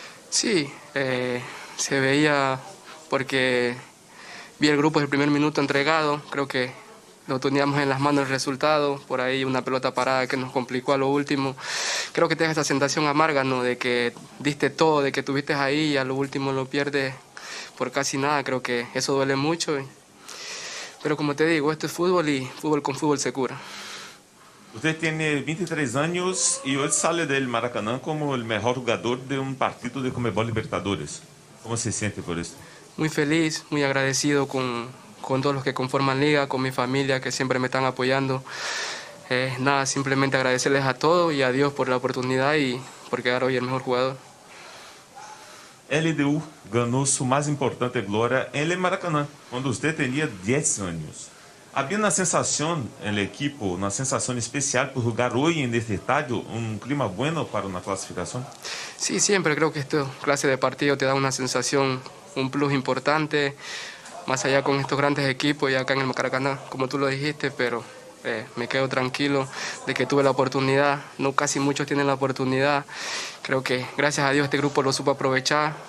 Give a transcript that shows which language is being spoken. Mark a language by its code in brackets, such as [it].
[es] Sí, se veía porque vi el grupo del primer minuto entregado, creo que lo teníamos en las manos el resultado, por ahí una pelota parada que nos complicó a lo último. Creo que tienes esa sensación amarga, ¿no? De que diste todo, de que estuviste ahí y a lo último lo pierdes por casi nada, creo que eso duele mucho. Pero como te digo, esto es fútbol y fútbol con fútbol se cura. [pt] Você tem 23 anos e hoje sai do Maracanã como o melhor jogador de um partido de Conmebol Libertadores. Como se sente por isso? [es] Muy feliz, muy agradecido con todos los que conforman Liga, con mi familia que siempre me están apoyando. Nada, simplemente agradecerles a todos y a Dios por la oportunidad y por quedar hoy el mejor jugador. [pt] LDU ganhou sua mais importante glória em Maracanã, quando você tinha 10 anos. Havia uma sensação no equipo, uma sensação especial por jogar hoje neste estádio, um clima bueno para uma classificação? [es] Sí, siempre creo que esta clase de partido te da una sensación, un plus importante, más allá con estos grandes equipos y acá en el Maracaná, como tú lo dijiste, pero me quedo tranquilo de que tuve la oportunidad. No casi muchos tienen la oportunidad. Creo que gracias a Dios este grupo lo supo aprovechar.